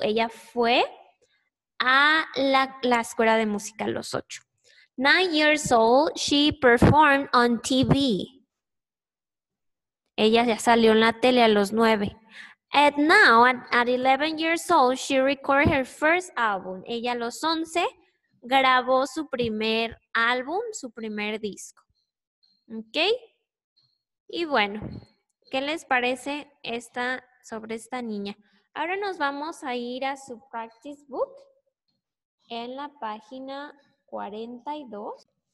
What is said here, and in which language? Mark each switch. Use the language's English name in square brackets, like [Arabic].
[Spanish] Ella fue a la escuela de música a los ocho. [English] 9 years old, she performed on TV. [Spanish] Ella ya salió en la tele a los 9. [English] And now, at 11 years old, she recorded her first album. [Spanish] Ella a los 11 grabó su primer álbum, su primer disco. ¿Ok? Y bueno, ¿qué les parece sobre esta niña? Ahora nos vamos a ir a su practice book en la página 42.